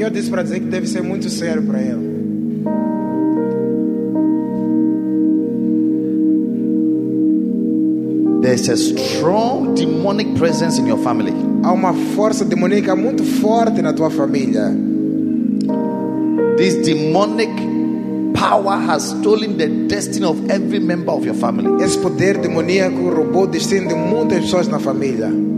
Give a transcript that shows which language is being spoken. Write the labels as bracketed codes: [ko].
[pt] Para dizer que deve ser muito sério para ele. [en] There's a strong demonic presence in your family. [pt] Há uma força demoníaca muito forte na tua família. [en] This demonic power has stolen the destiny of every member of your family. [pt] Esse poder demoníaco roubou o destino de muitas pessoas na família.